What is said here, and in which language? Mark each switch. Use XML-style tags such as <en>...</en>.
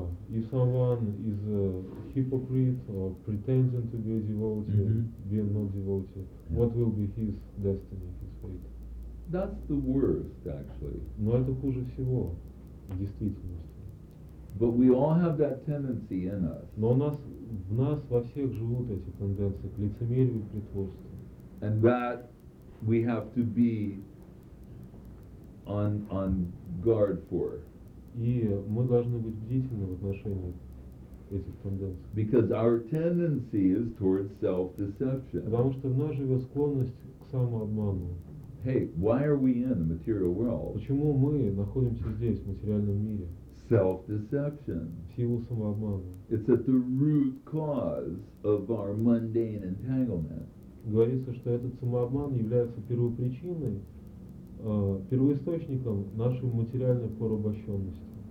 <en>If someone is a hypocrite or pretending to be a devotee, mm-hmm. being not devotee, yeah. what will be his destiny, his fate? That's the worst, actually.</en> <ru>Но это хуже всего, в действительности.</ru> <en>But we all have that tendency in us.</en> <ru>Но в нас во всех живут эти тенденции к лицемерию и притворству.</ru> <en>And that we have to be on guard for.</en> <ru>И мы должны быть бдительны в отношении этих тенденций.</ru> <en>Because our tendency is towards self-deception.</en> <ru>Потому что в нас живет склонность к самообману.</ru> <en>Hey, why are we in the material world?</en> <ru>Почему мы находимся здесь, в материальном мире?</ru> <en>Self-deception.</en> <ru>В силу самообмана.</ru> <en>It's at the root cause of our mundane entanglement.</en> <ru>Говорится, что этот самообман является первопричиной. Первоисточником нашей материальной порабощенности.</ru>